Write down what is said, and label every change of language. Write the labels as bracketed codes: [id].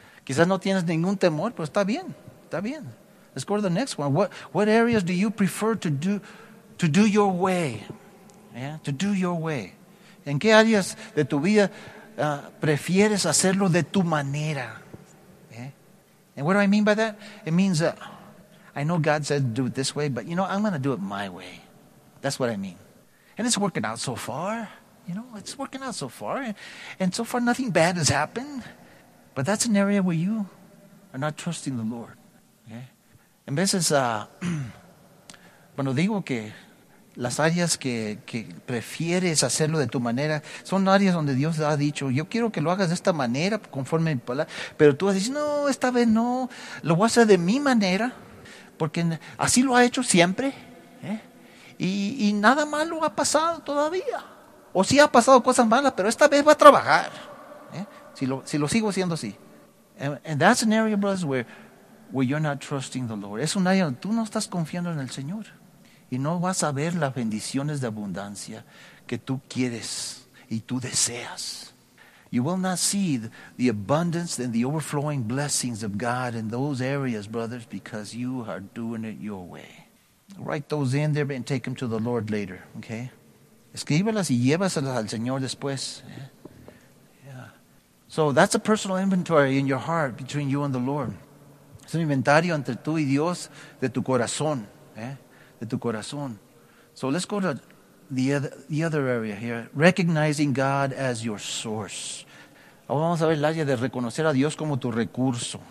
[es] Quizás no tienes ningún temor, pero está bien. Está bien. [en] Let's go to the next one. What areas do you prefer to do your way? Yeah. To do your way. ¿En qué áreas de tu vida prefieres hacerlo de tu manera? Yeah. And what do I mean by that? It means I know God said to do it this way, but you know, I'm going to do it my way. That's what I mean. And it's working out so far. You know, it's working out so far. And so far nothing bad has happened. But that's an area where you are not trusting the Lord. Okay? [es] En veces, bueno, digo que las áreas que prefieres hacerlo de tu manera son áreas donde Dios ha dicho, yo quiero que lo hagas de esta manera conforme a mi palabra. Pero tú dices, no, esta vez no, lo voy a hacer de mi manera. Porque así lo ha hecho siempre. Y nada malo ha pasado todavía. O sí ha pasado cosas malas, pero esta vez va a trabajar. Si lo sigo haciendo así. [en] And that's an area, brothers, where you're not trusting the Lord. [es] Es un área donde tú no estás confiando en el Señor. Y no vas a ver las bendiciones de abundancia que tú quieres y tú deseas. [en] You will not see the abundance and the overflowing blessings of God in those areas, brothers, because you are doing it your way. Write those in there and take them to the Lord later, okay? [es] Escríbelas y llévaselas al Señor después. [en] Yeah. So that's a personal inventory in your heart between you and the Lord. [es] Es un inventario entre tú y Dios de tu corazón, eh? De tu corazón. [en] So let's go to the other area here. Recognizing God as your source. [es] Ahora vamos a ver el área de reconocer a Dios como tu recurso.